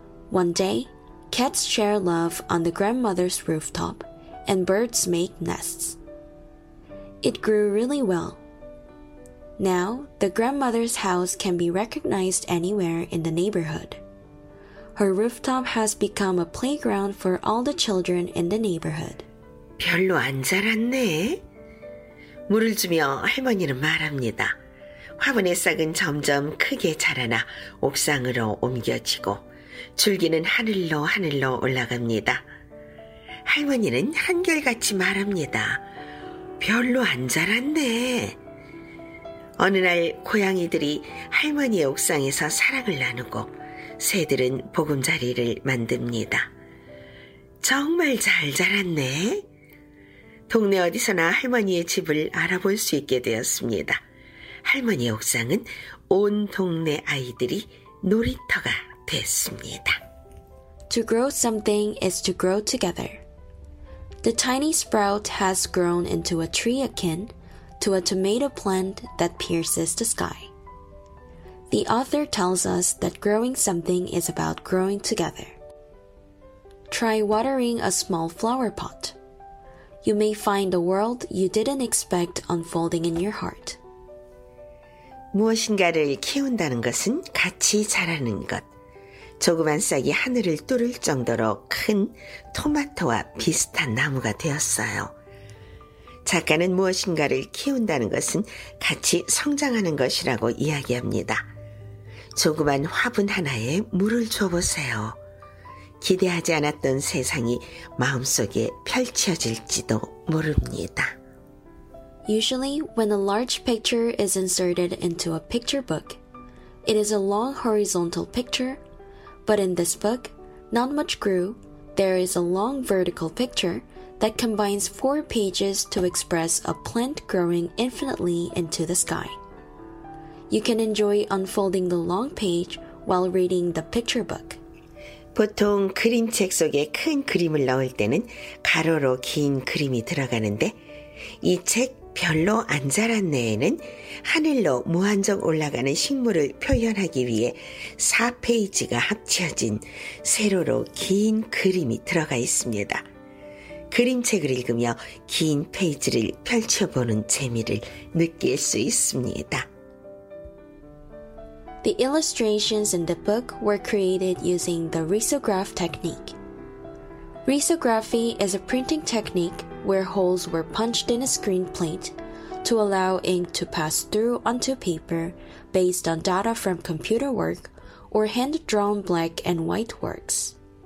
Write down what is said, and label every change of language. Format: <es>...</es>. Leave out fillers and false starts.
<en>One day, cats share love on the grandmother's rooftop, and birds make nests. It grew really well. Now, the grandmother's house can be recognized anywhere in the neighborhood. Her rooftop has become a playground for all the children in the neighborhood.</en> <ko>별로 안 자랐네. 물을 주며 할머니는 말합니다. 화분의 싹은 점점 크게 자라나 옥상으로 옮겨지고 줄기는 하늘로 하늘로 올라갑니다. 할머니는 한결같이 말합니다. 별로 안 자랐네. 어느 날 고양이들이 할머니의 옥상에서 사랑을 나누고 새들은 보금자리를 만듭니다. 정말 잘 자랐네. 동네 어디서나 할머니의 집을 알아볼 수 있게 되었습니다. 할머니의 옥상은 온 동네 아이들이 놀이터가 됐습니다.</ko> <en>To grow something is to grow together. The tiny sprout has grown into a tree akin to a tomato plant that pierces the sky. The author tells us that growing something is about growing together. Try watering a small flower pot. You may find a world you didn't expect unfolding in your heart.</en> <ko>무엇인가를 키운다는 것은 같이 자라는 것. 조그만 싹이 하늘을 뚫을 정도로 큰 토마토와 비슷한 나무가 되었어요. 작가는 무엇인가를 키운다는 것은 같이 성장하는 것이라고 이야기합니다. 조그만 화분 하나에 물을 줘보세요. 기대하지 않았던 세상이 마음속에 펼쳐질지도 모릅니다.</ko> <en>Usually, when a large picture is inserted into a picture book, it is a long horizontal picture. But in this book, Not Much Grew, there is a long vertical picture that combines four pages to express a plant growing infinitely into the sky. You can enjoy unfolding the long page while reading the picture book.</en> <ko>보통 그림책 속에 큰 그림을 넣을 때는 가로로 긴 그림이 들어가는데 이 책 별로 안 자랐네에는 하늘로 무한정 올라가는 식물을 표현하기 위해 4페이지가 합쳐진 세로로 긴 그림이 들어가 있습니다. 그림책을 읽으며 긴 페이지를 펼쳐보는 재미를 느낄 수 있습니다.</ko> <en>The illustrations in the book were created using the risograph technique. Risography is a printing technique where holes were punched in a screen plate to allow ink to pass through onto paper based on data from computer work or hand-drawn black and white works.</en>